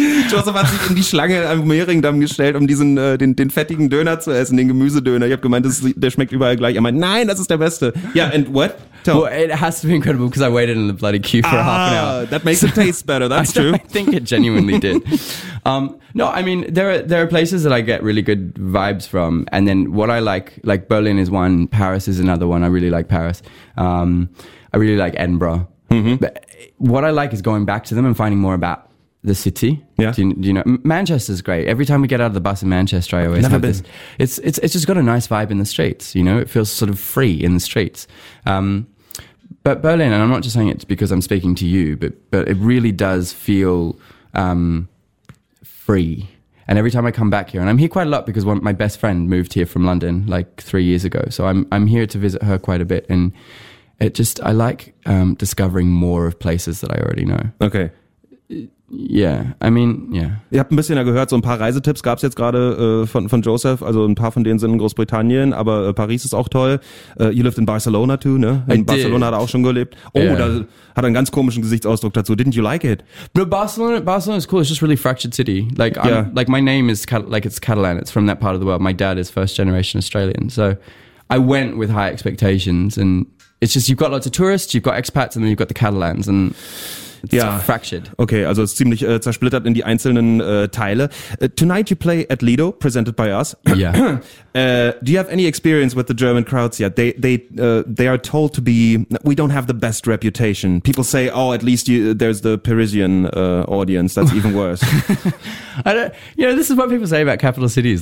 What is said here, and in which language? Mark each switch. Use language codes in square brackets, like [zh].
[de] Joseph hat sich in die Schlange am Meringdam gestellt, um diesen den fettigen Döner zu essen, den Gemüsedöner. Ich habe gemeint, der schmeckt überall gleich. Er meint, nein, das ist der beste. [en] Yeah, and what? Well, it has to be incredible because I waited in the bloody queue for half an hour. That makes it taste better. That's true. I think it genuinely did. No, I mean, there are places that I get really good vibes from. And then what I like Berlin is one, Paris is another one. I really like Paris. I really like Edinburgh. Mm-hmm. But what I like is going back to them and finding more about the city. Yeah. Do you know? Manchester's great. Every time we get out of the bus in Manchester, I always have this. It's just got a nice vibe in the streets, you know? It feels sort of free in the streets. But Berlin, and I'm not just saying it's because I'm speaking to you, but it really does feel free. And every time I come back here, and I'm here quite a lot because my best friend moved here from London like 3 years ago. So I'm here to visit her quite a bit. And it just, I like discovering more of places that I already know. Okay. Yeah, I mean, yeah. [de] Ihr habt ein bisschen ja gehört, so ein paar Reisetipps gab es jetzt gerade von Joseph, also ein paar von denen sind in Großbritannien, aber Paris ist auch toll. [en] You lived in Barcelona too, ne? [de] In Barcelona hat er auch schon gelebt. [en] Oh, yeah. [de] Da hat er einen ganz komischen Gesichtsausdruck dazu. [en] Didn't you like it? But Barcelona is cool, it's just really fractured city. Like, like my name is, like it's Catalan, it's from that part of the world. My dad is first generation Australian, so I went with high expectations and it's just, you've got lots of tourists, you've got expats and then you've got the Catalans and... It's fractured. [de] Okay, also es ist ziemlich zersplittert in die einzelnen Teile. [en] Tonight you play at Lido, presented by us. Yeah. Do you have any experience with the German crowds yet? They are told to be, we don't have the best reputation. People say, oh, at least there's the Parisian audience. That's even worse. This is what people say about capital cities.